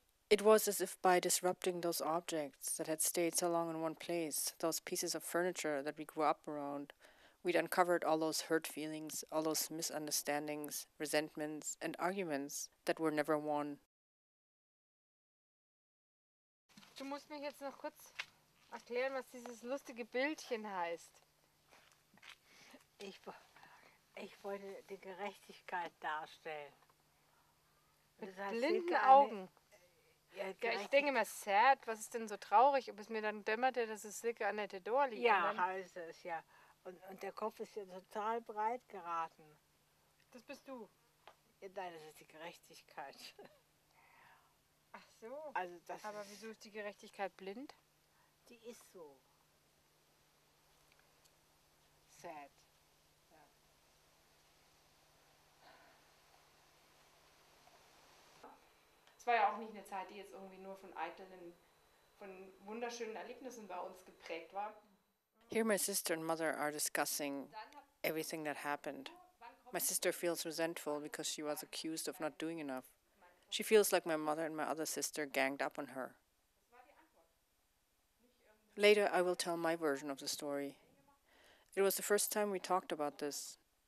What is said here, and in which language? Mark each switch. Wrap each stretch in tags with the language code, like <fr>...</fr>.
<en>It was as if by disrupting those objects that had stayed so long in one place, those pieces of furniture that we grew up around, we'd uncovered all those hurt feelings, all those misunderstandings, resentments, and arguments that were never won.</en> <de>Du musst mir jetzt noch kurz erklären, was dieses lustige Bildchen heißt. Ich wollte die Gerechtigkeit darstellen. Mit blinden Augen. Ja, ich denke immer, sad, was ist denn so traurig? Und bis mir dann dämmerte, dass es Silke an der Tedor liegt. Ja, heißt es, ja. Und der Kopf ist ja total breit geraten. Das bist du. Ja, nein, das ist die Gerechtigkeit. So. Also das aber wieso ist die Gerechtigkeit blind? Die ist so.</de> <en>Sad.</en> <de>Ja. Es war ja auch nicht eine Zeit, die jetzt irgendwie nur von eitelen, von wunderschönen Erlebnissen bei uns geprägt war.</de> <en>Here my sister and mother are discussing everything that happened. My sister feels resentful because she was accused of not doing enough. She feels like my mother and my other sister ganged up on her. Later, I will tell my version of the story. It was the first time we talked about this.</en>